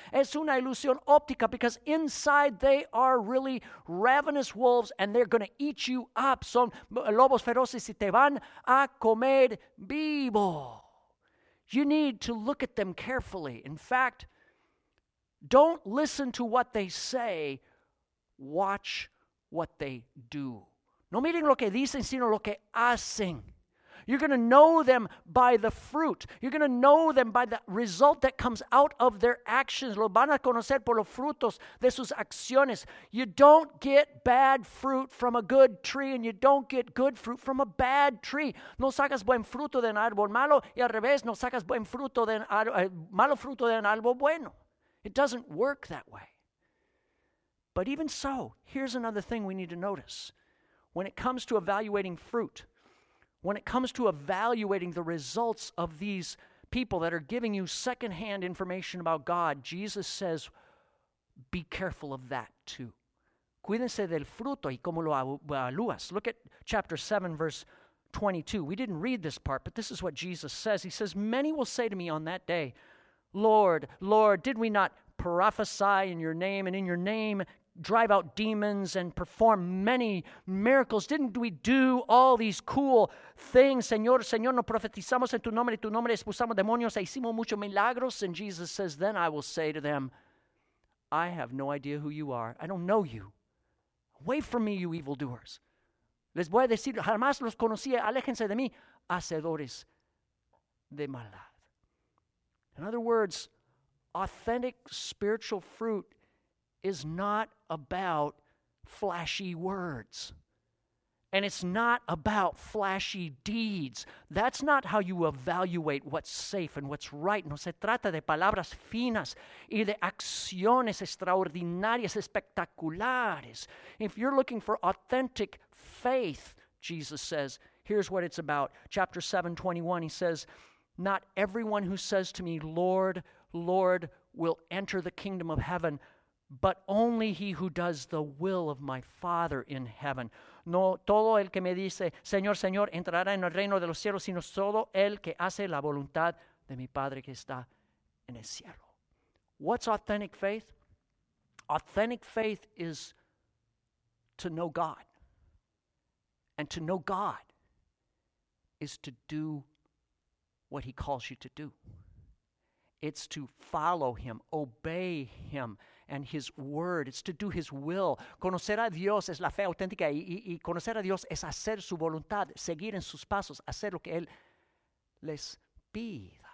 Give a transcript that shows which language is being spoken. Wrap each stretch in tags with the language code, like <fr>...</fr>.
<es>Es una ilusión óptica,</es> <en>because inside they are really ravenous wolves and they're going to eat you up.</en> <es>Son lobos feroces y te van a comer vivo.</es> <en>You need to look at them carefully. In fact, don't listen to what they say. Watch what they do.</en> <es>No miren lo que dicen, sino lo que hacen.</es> <en>You're going to know them by the fruit. You're going to know them by the result that comes out of their actions.</en> <es>Lo van a conocer por los frutos de sus acciones.</es> <en>You don't get bad fruit from a good tree, and you don't get good fruit from a bad tree.</en> <es>No sacas buen fruto de un árbol malo, y al revés, no sacas buen fruto de un malo fruto de un árbol bueno.</es> <en>It doesn't work that way. But even so, here's another thing we need to notice. When it comes to evaluating fruit, when it comes to evaluating the results of these people that are giving you secondhand information about God, Jesus says, be careful of that too.</en> <es>Cuídense del fruto y cómo lo evalúas.</es> <en>Look at chapter 7, verse 22. We didn't read this part, but this is what Jesus says. He says, many will say to me on that day, Lord, Lord, did we not prophesy in your name and in your name drive out demons and perform many miracles? Didn't we do all these cool things?</en> <es>Señor, Señor, no profetizamos en tu nombre expulsamos demonios, e hicimos muchos milagros.</es> <en>And Jesus says, then I will say to them, I have no idea who you are. I don't know you. Away from me, you evildoers.</en> <es>Les voy a decir, jamás los conocí. Aléjense de mí, hacedores de maldad.</es> <en>In other words, authentic spiritual fruit is not about flashy words. And it's not about flashy deeds. That's not how you evaluate what's safe and what's right.</en> <es>No se trata de palabras finas y de acciones extraordinarias, espectaculares.</es> <en>If you're looking for authentic faith, Jesus says, here's what it's about. Chapter 7, 21, he says, not everyone who says to me, Lord, Lord, will enter the kingdom of heaven, but only he who does the will of my Father in heaven.</en> <es>No todo el que me dice, Señor, Señor, entrará en el reino de los cielos, sino solo el que hace la voluntad de mi Padre que está en el cielo.</es> <en>What's authentic faith? Authentic faith is to know God. And to know God is to do what he calls you to do. It's to follow him, obey him. and His Word. It's to do His will.</en> <es>Conocer a Dios es la fe auténtica y conocer a Dios es hacer su voluntad, seguir en sus pasos, hacer lo que Él les pida.</es>